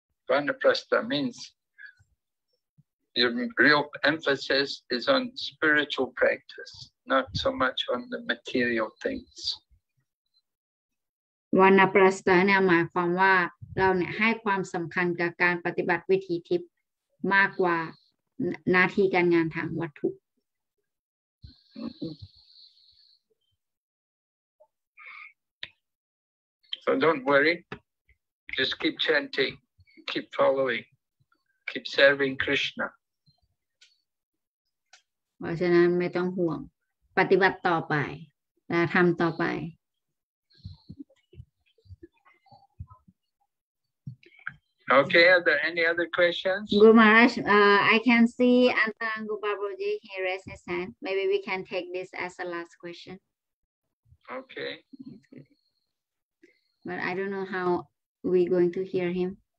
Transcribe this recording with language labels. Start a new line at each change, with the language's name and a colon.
English: Vanaprastha means your real emphasis is on spiritual practice, not so much on the material things.
Thai: Vanaprastha เนี่ยหมายความว่าเราเนี่ยให้ความสำคัญกับการปฏิบัติวิถีทิพย์มากกว่าหน้าที่การงานทางวัตถุ
English: So don't worry. Just keep chanting, keep following, keep serving Krishna.
Thai: เพราะฉะนั้นไม่ต้องห่วงปฏิบัติต่อไปและทำต่อไป
English: Okay, are there any other questions? Guru Maharaj, I can see Antan Gopabroji, he raised his hand. Maybe we can take this as the last question. Okay. But I don't know how we going to hear him.